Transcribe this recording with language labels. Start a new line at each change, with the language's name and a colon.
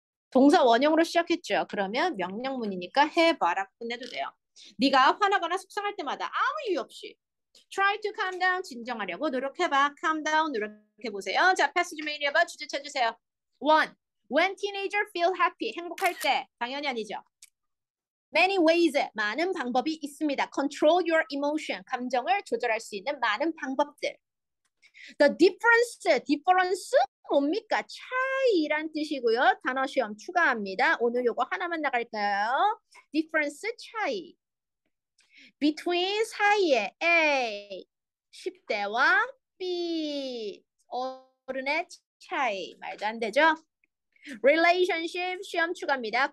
Korean: 동사 원형으로 시작했죠. 그러면 명령문이니까 해봐라 끝내도 돼요. 네가 화나거나 속상할 때마다 아무 이유 없이
English: try to calm down
Korean: 진정하려고 노력해봐.
English: calm down
Korean: 노력해보세요. 자, 패스 좀 읽어봐. 주제 찾으세요.
English: One, when teenager feel happy
Korean: 행복할 때 당연히 아니죠.
English: Many ways
Korean: 많은 방법이 있습니다.
English: Control your emotion
Korean: 감정을 조절할 수 있는 많은 방법들. The difference 뭡니까? 차이란 뜻이고요. 단어 시험 추가합니다. 오늘 요거 하나만 나갈까요? Difference 차이. Between 사이에 A, 10대와 B, 어른의 차이. 말도 안 되죠? Relationship 시험 추가합니다.